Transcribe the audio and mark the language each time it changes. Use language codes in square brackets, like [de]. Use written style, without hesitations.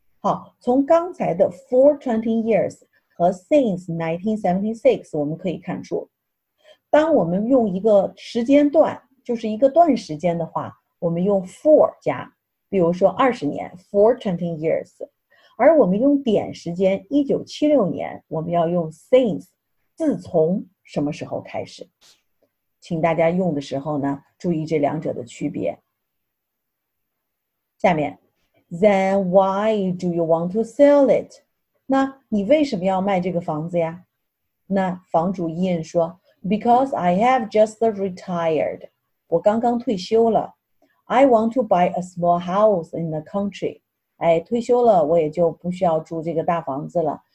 [zh] 好，从刚才的 for 20 years 和 since 1976 我们可以看出，当我们用一个时间段，就是一个段时间的话，我们用 for 加，比如说20年 for 20 years。而我们用点时间1976年，我们要用 since， 自从什么时候开始。请大家用的时候呢，注意这两者的区别。 [en] 下面 Then why do you want to sell it? [zh] 那你为什么要卖这个房子呀？ [en] 那房主Ian说， Because I have just retired. 我刚刚退休了。 I want to buy a small house in the country. [zh] 哎，退休了，我也就不需要住这个大房子了。